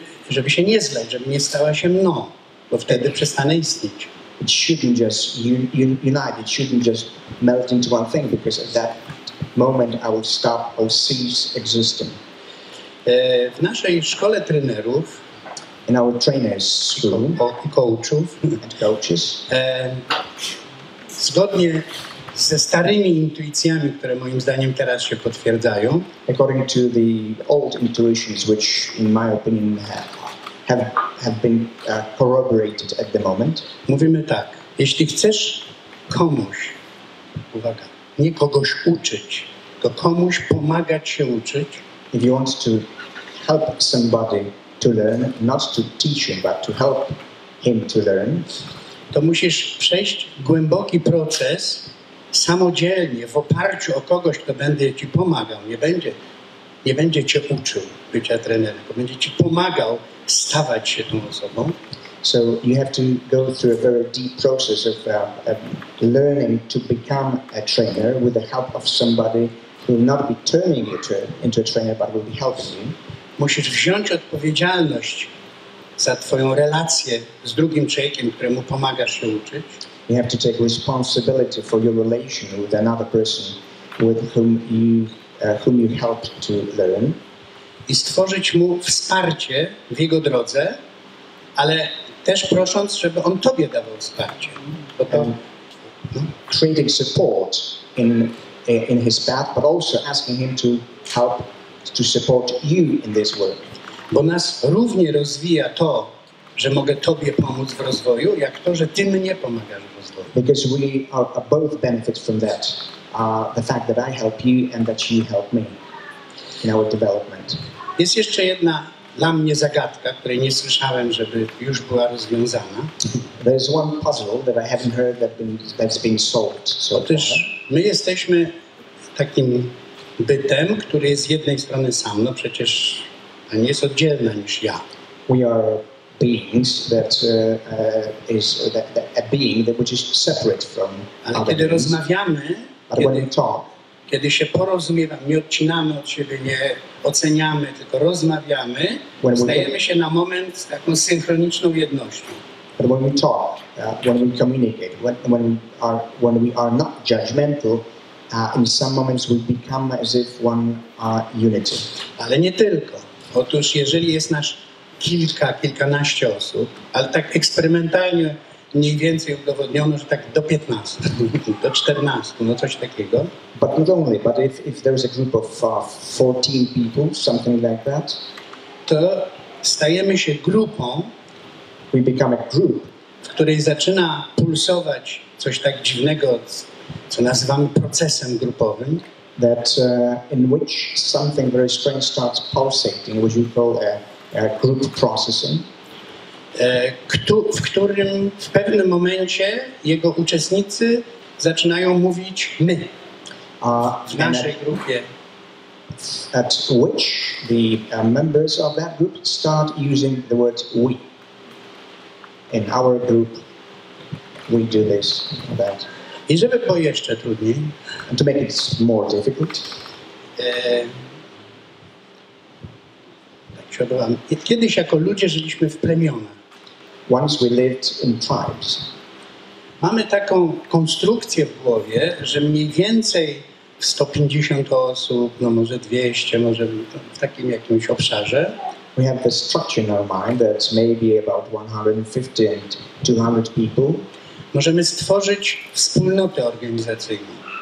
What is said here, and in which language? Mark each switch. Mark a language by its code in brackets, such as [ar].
[pl] żeby się nie zleć, żeby nie stała się mną, bo wtedy przestanę istnieć. [en] It shouldn't just unite, it shouldn't just melt into one thing, because at that moment I will stop or cease existing. [pl] W naszej szkole trenerów, [en] in our trainers school, [pl] coachów, [en] and coaches, [pl] zgodnie ze starymi intuicjami, które moim zdaniem teraz się potwierdzają, [en] according to the old intuitions which in my opinion have been corroborated at the moment, [pl] mówimy tak: jeśli chcesz komuś, uwaga, nie kogoś uczyć, to komuś pomagać się uczyć, [en] if you want to help somebody to learn, not to teach him but to help him to learn, [pl] to musisz przejść głęboki proces samodzielnie, w oparciu o kogoś, kto będzie ci pomagał. Nie będzie cię uczył bycia trenerem, bo będzie ci pomagał stawać się tą osobą. [en] So you have to go through a very deep process of learning to become a trainer with the help of somebody who will not be turning you into a trainer, but will be helping you. [pl] Musisz wziąć odpowiedzialność za twoją relację z drugim człowiekiem, któremu pomagasz się uczyć. [en] You have to take responsibility for your relation with another person with whom you help to learn. [pl] I stworzyć mu wsparcie w jego drodze, ale też prosząc, żeby on tobie dawał wsparcie. Bo to, [en] creating support in his path, but also asking him to help to support you in this work. [pl] Bo nas równie rozwija to, że mogę tobie pomóc w rozwoju, jak to, że ty mnie pomagasz w rozwoju. [en] Because we are both benefit from that. The fact that I help you and that you help me in our development. [pl] Jest jeszcze jedna dla mnie zagadka, której nie słyszałem, żeby już była rozwiązana. [en] There is one puzzle that I haven't heard that's been solved. So [pl] otóż my jesteśmy takim bytem, który jest z jednej strony sam, no przecież a nie jest oddzielna niż ja. [en] We are beings that is a being that which is separate from [pl] ale kiedy [en] beings. [pl] Rozmawiamy, [en] but [pl] kiedy, [en] when we talk, [pl] kiedy się porozumiewamy, nie odcinamy od siebie, nie oceniamy, tylko rozmawiamy, stajemy się na moment z taką synchroniczną jednością. [en] But when we talk, when we communicate, when we are not judgmental, in some moments we become as if one unity. [pl] Ale nie tylko. Otóż jeżeli jest nasz kilkanaście osób, ale tak eksperymentalnie mniej więcej udowodniono, że tak do 15, do 14, no coś takiego. [en] But not only, but if there is a group of 14 people, something like that, [pl] to stajemy się grupą, [en] we become a group, [pl] w której zaczyna pulsować coś tak dziwnego, co nazywamy procesem grupowym. [en] That in which something very strange starts pulsating, which we call a group processing. [pl] W którym w pewnym momencie jego uczestnicy zaczynają mówić my w naszej grupie. [en] At which the members of that group start using the word we in our group. we do this or that. [pl] I żeby było jeszcze trudniej. [en] And to make it more difficult. [pl] Kiedyś jako ludzie żyliśmy w plemionach. [en] Once we lived in tribes. [pl] Mamy taką konstrukcję w głowie, że mniej więcej 150 osób, no może 200, może w takim jakimś obszarze. [en] We have this structure in our mind that maybe about 150 and 200 people. [pl] Możemy stworzyć wspólnotę organizacyjną.